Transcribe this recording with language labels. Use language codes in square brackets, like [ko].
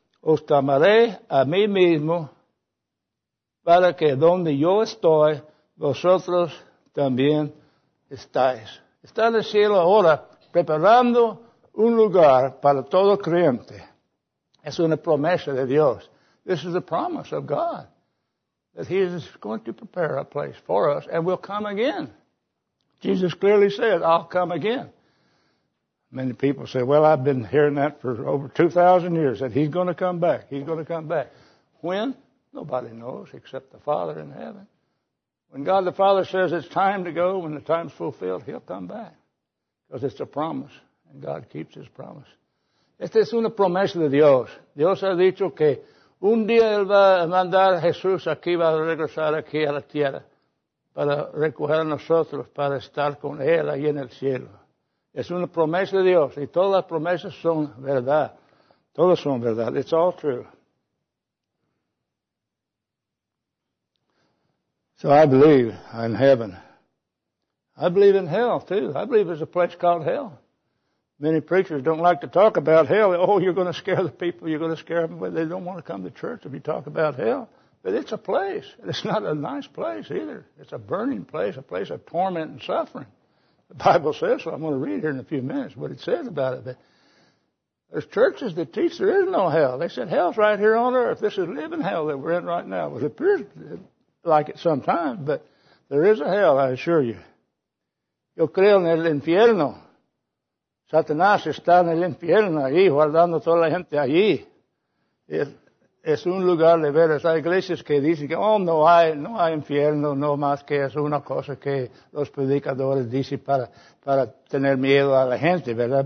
[es] Os tomaré a mí mismo para que donde yo estoy, vosotros también estáis. Está en el cielo ahora preparando un lugar para todo creyente. Es una promesa de Dios. [en] This is a promise of God that he is going to prepare a place for us and we'll come again. Jesus clearly said, I'll come again. Many people say, well, I've been hearing that for over 2,000 years that he's going to come back. He's going to come back. When? Nobody knows except the Father in heaven. When God the Father says it's time to go, when the time's fulfilled, he'll come back because it's a promise and God keeps his promise. [es] Esta es una promesa de Dios. Dios ha dicho que un día él va a mandar a Jesús aquí, va a regresar aquí a la tierra para recoger a nosotros, para estar con él ahí en el cielo. Es una promesa de Dios y todas las promesas son verdad. Todas son verdad. [en] It's all true. So I believe in heaven. I believe in hell too. I believe there's a place called hell. Many preachers don't like to talk about hell. Oh, you're going to scare the people. You're going to scare them. They don't want to come to church if you talk about hell. But it's a place. And it's not a nice place either. It's a burning place, a place of torment and suffering. The Bible says so. I'm going to read here in a few minutes what it says about it. But there's churches that teach there is no hell. They said hell's right here on earth. This is living hell that we're in right now. Well, it appears like it sometimes, but there is a hell, I assure you. [es] Yo creo en el infierno. Satanás está en el infierno ahí, guardando toda la gente allí. Es un lugar de veras. Hay iglesias que dicen que, oh, no hay infierno, no más que es una cosa que los predicadores dicen para tener miedo a la gente, ¿verdad?